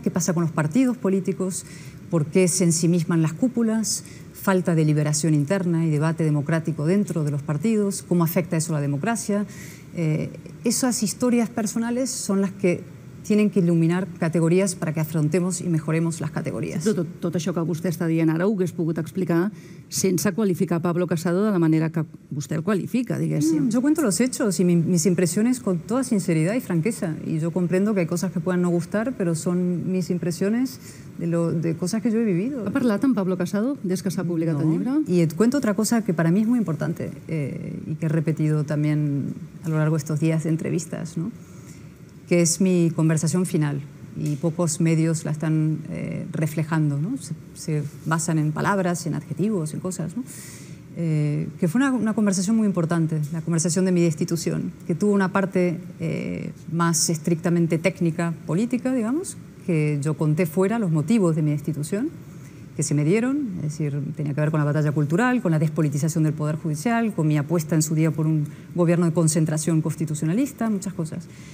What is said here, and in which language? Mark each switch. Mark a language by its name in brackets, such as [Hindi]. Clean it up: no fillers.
[Spanish] ¿Qué pasa con los partidos políticos? ¿Por qué se ensimisman las cúpulas? ¿Falta de liberación interna y debate democrático dentro de los partidos? ¿Cómo afecta eso a la democracia? Esas historias personales son las que tienen que iluminar categorías para que afrontemos y mejoremos las categorías. [Catalan] Però tot això que vostè està dient ara ho hagués pogut explicar sense qualificar Pablo Casado de la manera que vostè el qualifica, diguéssim. [Spanish] Yo cuento los hechos y mis impresiones con toda sinceridad y franqueza. Y yo comprendo que hay cosas que puedan no gustar, pero son mis impresiones de cosas que yo he vivido. [Catalan] ¿Ha parlat amb Pablo Casado des que s'ha publicat el llibre? [Spanish] Y et cuento otra cosa que para mí es muy importante y que he repetido también a lo largo de estos días de entrevistas, ¿no? Que es mi conversación final y pocos medios la están reflejando, ¿no? Se basan en palabras, en adjetivos, en cosas, ¿no? Que fue una conversación muy importante, la conversación de mi destitución, que tuvo una parte más estrictamente técnica, política, digamos, que yo conté fuera los motivos de mi destitución, que se me dieron, es decir, tenía que ver con la batalla cultural, con la despolitización del Poder Judicial, con mi apuesta en su día por un gobierno de concentración constitucionalista, muchas cosas.